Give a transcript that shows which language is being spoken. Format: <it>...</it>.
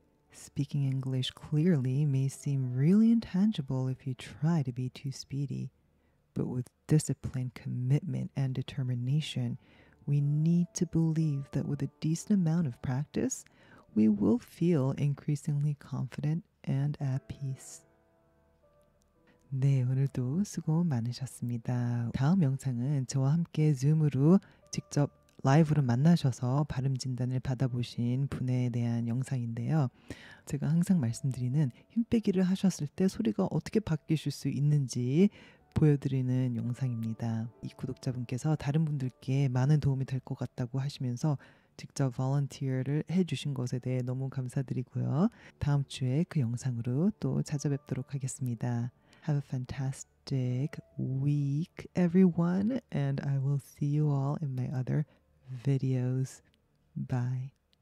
<en>Speaking English clearly may seem really intangible if you try to be too speedy. But with discipline, commitment, and determination, we need to believe that with a decent amount of practice, we will feel increasingly confident and at peace.</en> <ko>네, 오늘도 수고 많으셨습니다. 다음 영상은 저와 함께 Zoom으로 직접 라이브로 만나셔서 발음 진단을 받아보신 분에 대한 영상인데요. 제가 항상 말씀드리는 힘빼기를 하셨을 때 소리가 어떻게 바뀌실 수 있는지 보여드리는 영상입니다. 이 구독자분께서 다른 분들께 많은 도움이 될 것 같다고 하시면서 직접 volunteer를 해주신 것에 대해 너무 감사드리고요. 다음 주에 그 영상으로 또 찾아뵙도록 하겠습니다.</ko> <en>Have a fantastic week, everyone, and I will see you all in my other videos. Bye.</en>